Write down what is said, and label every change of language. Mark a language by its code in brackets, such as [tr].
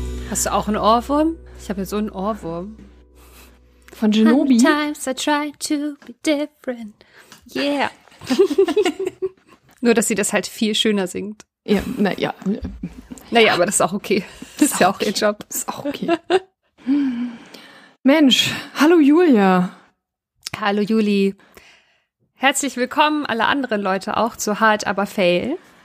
[de] Hast du auch einen Ohrwurm? Ich habe jetzt so einen Ohrwurm. Von Ginobili. [en] How many times I try to be different. Yeah. [de] Nur, dass sie das halt viel schöner singt. Ja, naja. Naja, aber das ist auch okay. Das ist ja auch ihr Job. Ist auch okay. Mensch, hallo Julia. Hallo Juli. Herzlich willkommen, alle anderen Leute auch, zu Hard Aber Fail.